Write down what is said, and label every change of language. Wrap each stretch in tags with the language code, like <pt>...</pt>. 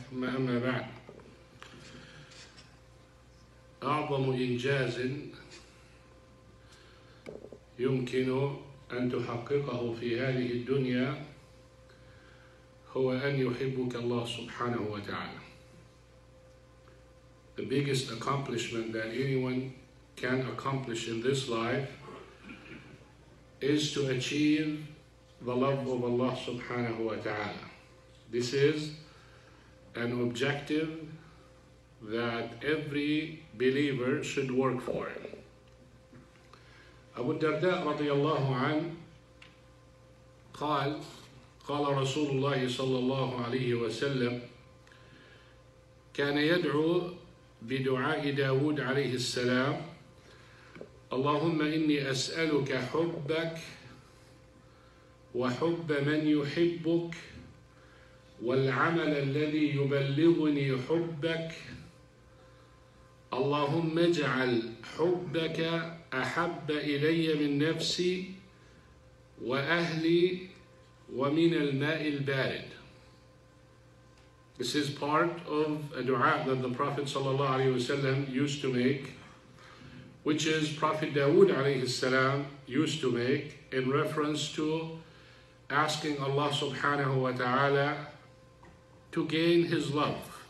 <ar>أما بعد، أعظم إنجاز يمكن أن تحققه في هذه الدنيا هو أن يحبك الله سبحانه وتعالى.</ar> <en>The biggest accomplishment that anyone can accomplish in this life is to achieve the love of Allah subhanahu wa ta'ala. This is an objective that every believer should work for.</en> <ar>Abu Darda radiyallahu anhu قال رسول الله صلى الله عليه وسلم كان يدعو بدعاء داود عليه السلام: اللهم إني أسألك حبك وحب من يحبك والعمل الذي يبلغني حبك، اللهم اجعل حبك أحب إلي من نفسي وأهلي ومن الماء البارد.</ar> <en>This is part of a dua that the Prophet sallallahu alaihi wasallam used to make, which is Prophet Dawood alayhi salam used to make in reference to asking Allah subhanahu wa ta'ala to gain his love.</en>